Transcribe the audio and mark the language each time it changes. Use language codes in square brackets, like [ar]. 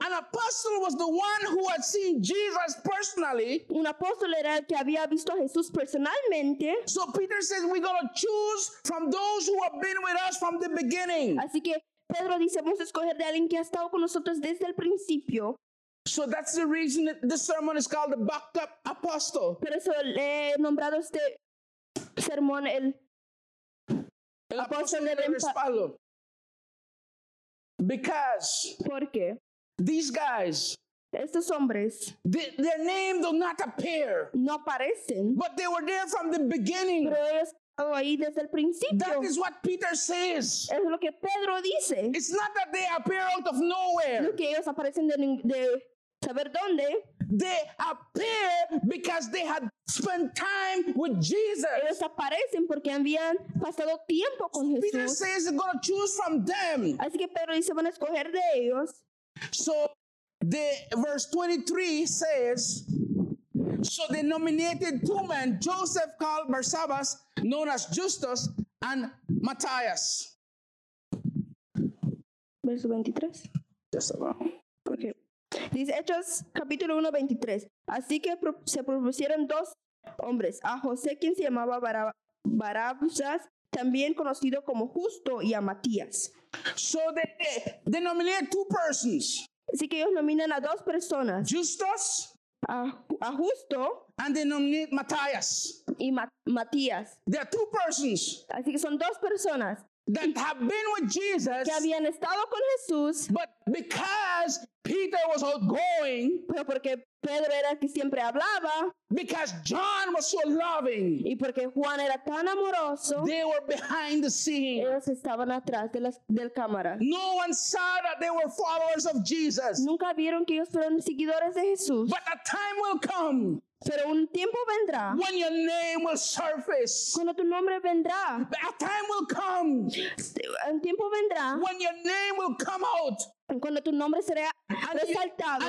[en] An apostle was the one who had seen Jesus personally. [es] Un apóstol era el que había visto a Jesús personalmente. [en] So Peter says we're going to choose from those who have been with us from the beginning. [es] Así que Pedro dice, vamos a escoger de alguien que ha estado con nosotros desde el principio. [en] So that's the reason that this sermon is called the Backed Up Apostle. [es] Por eso le he nombrado este sermón el apóstol de respaldo. [en] Because. [es] Porque. [en] These guys. [es] Estos hombres. [en] Their name do not appear. [es] No aparecen. [en] But they were there from the beginning. [es] Pero ellos. Oh, ahí desde el principio. [en] That is what Peter says. [es] Es lo que Pedro dice. [en] It's not that they appear out of nowhere. [es] No que ellos aparecen de saber dónde. [en] They appear because they had spent time with Jesus. [es] Ellos aparecen porque habían pasado tiempo con Jesús. [en] Peter says they're going to choose from them. [es] Así que Pedro dice van a escoger de ellos. [en] So the verse 23 says. So they nominated two men, Joseph called Barsabbas, known as Justus, and Matthias. [es] Verso 23. [en] Just about. Okay. [es] Dice Hechos, capítulo 1, 23. Así que se propusieron dos hombres, a José, quien se llamaba Barabbas, también conocido como Justo, y a Matías. [en] So they nominated two persons. [es] Así que ellos nominan a dos personas. [en] Justus. [es] A Justo [en] and they nominate Matthias. [es] Y Matías. [en] There are two persons. [es] Así que son dos personas. [en] That have been with Jesus. [es] Que habían estado con Jesús. [en] But because Peter was outgoing. [es] Pero porque Pedro era el que siempre hablaba. [en] Because John was so loving. [es] Y porque Juan era tan amoroso. [en] They were behind the scene. [es] Ellos estaban atrás del cámara. [en] No one saw that they were followers of Jesus. [es] Nunca vieron que ellos fueron seguidores de Jesús. [en] But a time will come. [es] Pero un tiempo vendrá. [en] When your name will surface. [es] Cuando tu nombre vendrá. [en] But a time will come. [es] Un tiempo vendrá. [en] When your name will come out. [es] cuando tu nombre será resaltado,